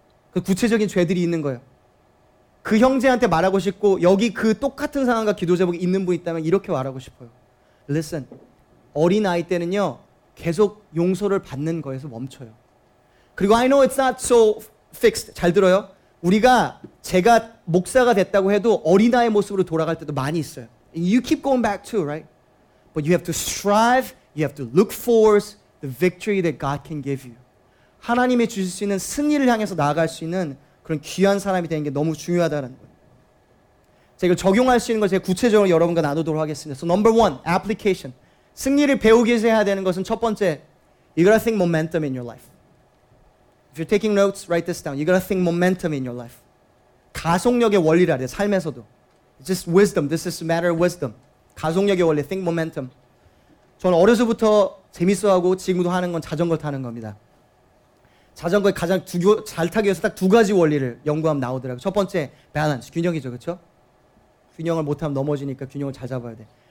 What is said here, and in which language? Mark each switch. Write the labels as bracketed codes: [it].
[ko] 그 구체적인 죄들이 있는 거예요. 그 형제한테 말하고 싶고 여기 그 똑같은 상황과 기도 제목이 있는 분 있다면 이렇게 말하고 싶어요. [en] Listen, [ko] 어린아이 때는요 계속 용서를 받는 거에서 멈춰요. 그리고 [en] I know it's not so fixed. [ko] 잘 들어요. 우리가 제가 목사가 됐다고 해도 어린아이 모습으로 돌아갈 때도 많이 있어요. [en] You keep going back too, right? But you have to strive, you have to look forward the victory that God can give you. [ko] 하나님이 주실 수 있는 승리를 향해서 나아갈 수 있는 그런 귀한 사람이 되는 게 너무 중요하다는 거예요. 제가 이걸 적용할 수 있는 걸 제가 구체적으로 여러분과 나누도록 하겠습니다. [en] So number one, application. [ko] 승리를 배우기 위해서 해야 되는 것은 첫 번째, [en] you gotta think momentum in your life. If you're taking notes, write this down. You gotta think momentum in your life. [ko] 가속력의 원리라 돼, 삶에서도. [en] just wisdom. This is a matter of wisdom. [ko] 가속력의 원리, [en] think momentum. [ko] 저는 어려서부터 재밌어하고 지금도 하는 건 자전거 타는 겁니다. 자전거에 가장 잘 타기 위해서 딱 두 가지 원리를 연구하면 나오더라고요. 첫 번째, [en] balance, [ko] 균형이죠, 그렇죠? 균형을 못하면 넘어지니까 균형을 잘 잡아야 돼.